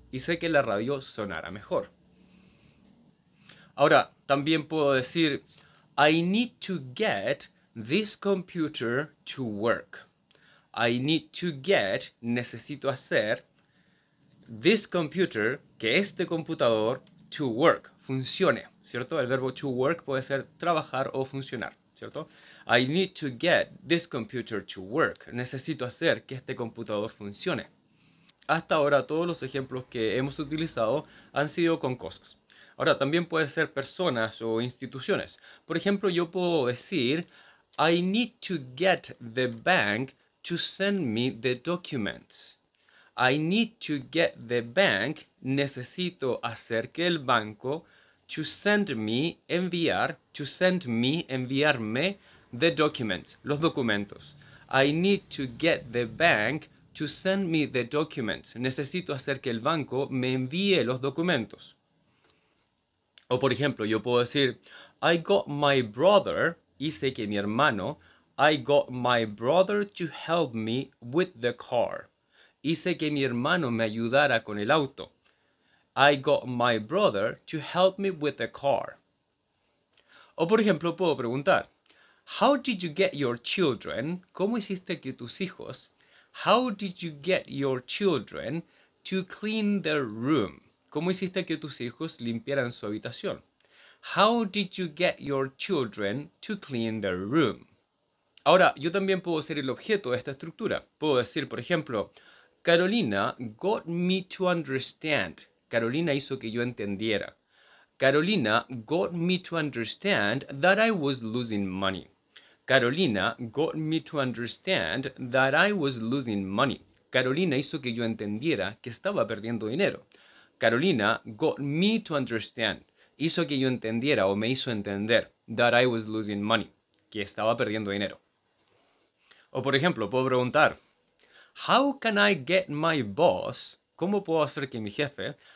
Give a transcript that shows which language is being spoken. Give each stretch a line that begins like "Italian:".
Spanish: Hice que la radio sonara mejor. Ahora, también puedo decir
English: I need to get this computer to work. I need to get,
Spanish: necesito hacer,
English: this computer,
Spanish: que este computador,
English: to work,
Spanish: funcione. ¿Cierto? El verbo to work puede ser trabajar o funcionar, ¿cierto?
English: I need to get this computer to work.
Spanish: Necesito hacer que este computador funcione. Hasta ahora, todos los ejemplos que hemos utilizado han sido con cosas. Ahora, también puede ser personas o instituciones. Por ejemplo, yo puedo decir,
English: I need to get the bank to send me the documents. I need to get the bank.
Spanish: Necesito hacer que el banco
English: to send me, enviar, to send me, enviarme, the documents,
Spanish: los documentos.
English: I need to get the bank to send me the documents.
Spanish: Necesito hacer que el banco me envíe los documentos. O por ejemplo, yo puedo decir,
English: I got my brother,
Spanish: hice que mi hermano,
English: I got my brother to help me with the car.
Spanish: Hice que mi hermano me ayudara con el auto.
English: I got my brother to help me with the car.
Spanish: O por ejemplo, puedo preguntar,
English: How did you get your children?
Spanish: ¿Cómo hiciste que tus hijos?
English: How did you get your children to clean their room?
Spanish: ¿Cómo hiciste que tus hijos limpiaran su habitación?
English: How did you get your children to clean their room?
Spanish: Ahora, yo también puedo ser el objeto de esta estructura. Puedo decir, por ejemplo,
English: Carolina got me to understand.
Spanish: Carolina hizo que yo entendiera.
English: Carolina got me to understand that I was losing money. Carolina got me to understand that I was losing money.
Spanish: Carolina hizo que yo entendiera que estaba perdiendo dinero.
English: Carolina got me to understand.
Spanish: Hizo que yo entendiera o me hizo entender
English: that I was losing money.
Spanish: Que estaba perdiendo dinero. O por ejemplo, puedo preguntar.
English: How can I get my boss?
Spanish: ¿Cómo puedo hacer que mi jefe?